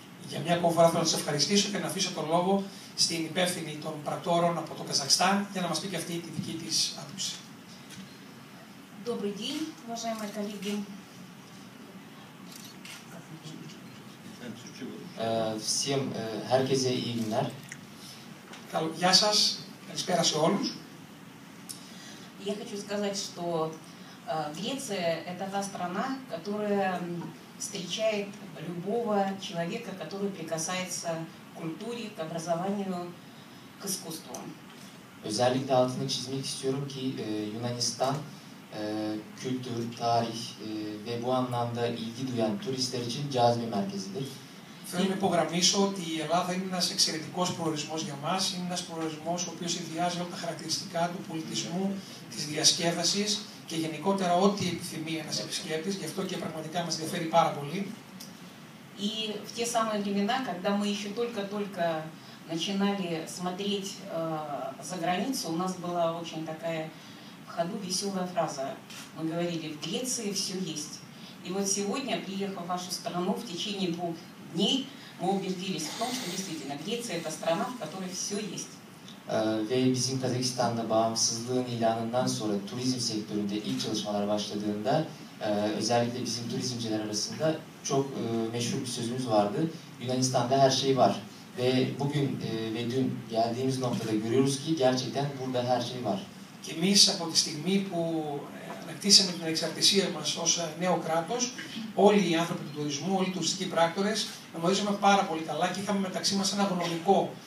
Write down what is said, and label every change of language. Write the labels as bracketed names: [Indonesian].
[Greek] Για μια ακόμα φορά θέλω να σας ευχαριστήσω και να αφήσω τον λόγο στην υπεύθυνη των πρακτόρων από το Καζακστάν για να μας πει και αυτή τη δική της άποψη. [Russian] Добрый день, уважаемые коллеги. Всем, [Turkish] herkese iyi günler. [Greek] Γεια σας, καλησπέρα σε όλους. [Russian] Я хочу сказать, что Греция – это та страна, которая встречает любого человека, который прикасается к культуре, к образованию, к искусству. [Turkish] Özellikle altını çizmek istiyorum ki Yunanistan kültür, tarih ve bu anlamda ilgi duyan turistler için cazibe merkezidir. [Greek] Θέλω να υπογραμμίσω ότι η Ελλάδα είναι ένας εξαιρετικός προορισμός για μας, είναι ένας προορισμός ο οποίος συνδυάζει όλα τα χαρακτηριστικά του πολιτισμού, της διασκέδασης και γενικότερα ό,τι επιθυμεί ένας επισκέπτης, γι' αυτό και πραγματικά μας ενδιαφέρει πάρα πολύ. [Russian] И в те самые времена, когда мы еще только-только начинали смотреть за границу, у нас была очень такая в ходу веселая фраза. Мы говорили, в Греции все есть. И вот сегодня, приехав в вашу страну, в течение двух дней мы убедились в том, что действительно Греция – это страна, в которой все есть. И в Казахстане, независимость [Turkish] ильянından sonra, туризм секторында ilk çalışmalar başladığında, özellikle bizim turizmciler arasında, çok meşhur bir sözümüz vardı. Yunanistan'da her şey var. Ve bugün ve dün geldiğimiz noktada görüyoruz ki gerçekten burada her şey var. [Greek] Εμείς από τη στιγμή που ανακτήσαμε την ανεξαρτησία μας ως νέο κράτος, όλοι οι άνθρωποι του τουρισμού, όλοι οι τουριστικοί πράκτορες, γνωρίζαμε πάρα πολύ καλά και είχαμε μεταξύ μας ένα γνωμικό.